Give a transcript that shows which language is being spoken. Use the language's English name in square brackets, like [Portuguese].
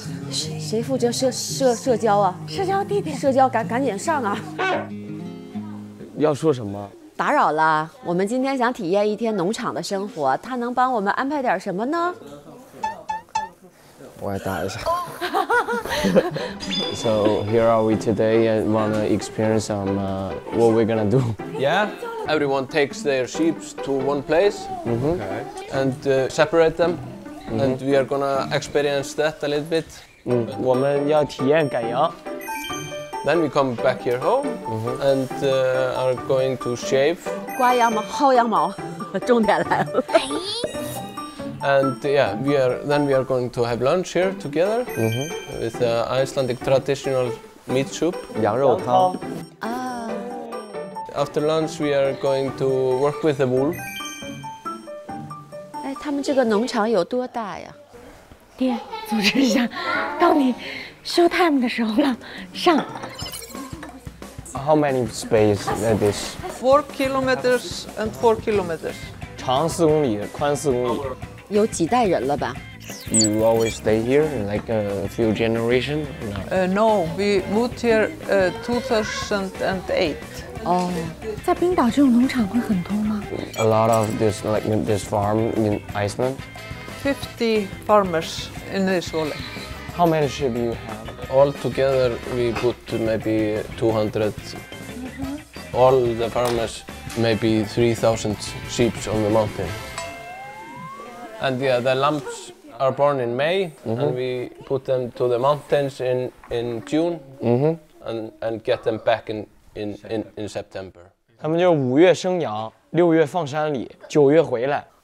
[Chinese] 谁负责社交啊？社交地点。社交赶紧上啊！要说什么？打扰了，我们今天想体验一天农场的生活，他能帮我们安排点什么呢？我来打一下。 [English] So here are we today and wanna experience some what we're gonna do. Yeah, everyone takes their sheep to one place、okay. and separate them、mm-hmm. and we are gonna experience that a little bit. [Chinese] 我们要体验赶羊。 [English] Then we come back here home、mm-hmm. and are going to shave. [Chinese] 刮羊毛，薅羊毛，重点来了。 [English] And yeah, we are going to have lunch here together、mm-hmm. with the Icelandic traditional meat soup. [Chinese] 羊肉汤。 [English] After lunch, we are going to work with the wool. [Chinese] 哎，他们这个农场有多大呀？爹，组织一下，到你 [English] show time [Chinese] 的时候了，上。 [English] How many space that is? 4 kilometers and 4 kilometers. [Chinese] 长四公里，宽四公里。有几代人了吧 [English] ？You always stay here, like a few generation? No, we moved here 2008. 哦、oh. ， [Chinese] 在冰岛这种农场会很多吗 [English] ？A lot of this like this farm in Iceland. 50 farmers in this valley. How many sheep you have? All together, we put maybe 200. Mm-hmm. All the farmers, maybe 3,000 sheep on the mountain. And yeah, the lambs are born in May, mm-hmm. and we put them to the mountains in June, mm-hmm. and get them back in September. [Chinese] 他们就是五月生羊，六月放山里，九月回来。